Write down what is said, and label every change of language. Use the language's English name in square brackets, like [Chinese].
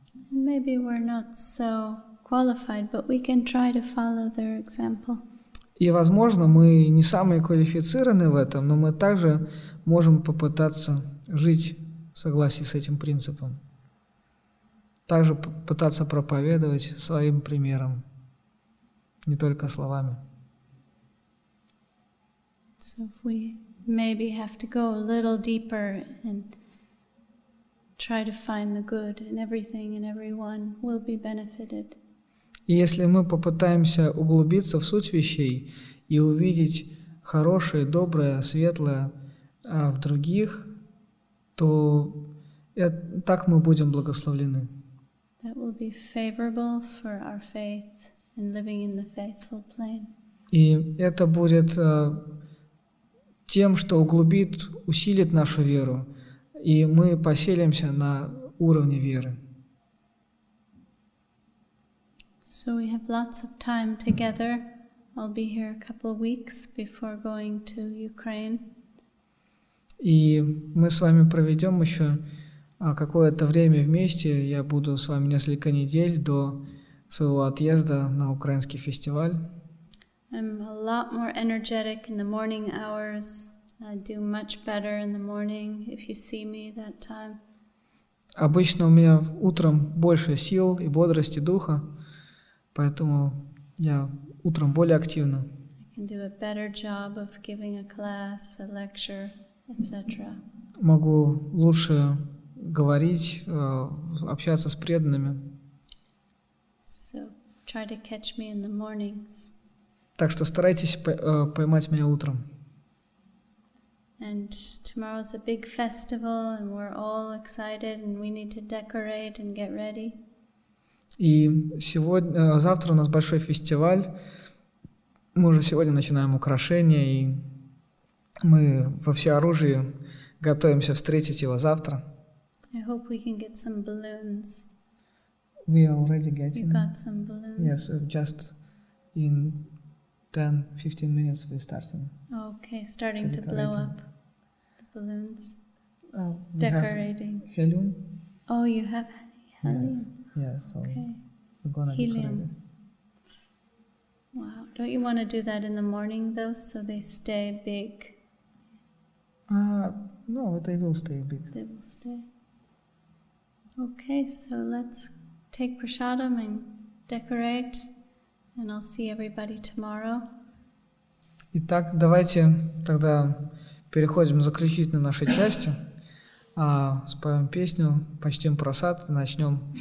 [English] Maybe we're not so qualified, but we can try to follow their example. [Russian] И, возможно, мы не самые квалифицированные в этом, но мы также можем попытаться жить в согласии с этим принципом. Также попытаться проповедовать своим примером, не только словами. [English] It's So if we maybe have to go a little deeper and try to find the good in everything and everyone, we'll be benefited. [Russian] И если мы попытаемся углубиться в суть вещей и увидеть хорошее, доброе, светлое в других, то так мы будем благословлены. [English] That will be favorable for our faith and living in the faithful plane. [Russian] И это будет тем, что углубит, усилит нашу веру, и мы поселимся на уровне веры. [English] So we have lots of time together. I'll be here a couple of weeks before going to Ukraine. [Russian] И мы с вами проведем еще какое-то время вместе. Я буду с вами несколько недель до своего отъезда на украинский фестиваль. [English] I'm a lot more energetic in the morning hours. I do much better in the morning if you see me that time. [Russian] Обычно у меня утром больше сил и бодрости духа, поэтому я утром более активна. [English] I can do a better job of giving a class, a lecture, etc. [Russian] Могу лучше говорить, общаться с преданными. [English] So try to catch me in the mornings. [Russian] Так что старайтесь поймать меня утром. [English] And tomorrow's a big festival, and we're all excited, and we need to decorate and get ready. [Russian] И сегодня, завтра у нас большой фестиваль. Мы уже сегодня начинаем украшения, и мы во всеоружии готовимся встретить его завтра. [English] I hope we can get some balloons. We already got. You got some balloons? Yes, just in 10-15 minutes we're starting. Okay, starting to blow up the balloons. Decorating. We have helium. Oh, you have helium. Yes, so okay. We're gonna helium. Decorate it. Wow, don't you want to do that in the morning though, so they stay big? No, they will stay big. They will stay. Okay, so let's take prasadam and decorate, and I'll see everybody tomorrow. [Russian] Итак, давайте тогда переходим к заключительной нашей части. Споем песню, почтим просад, начнем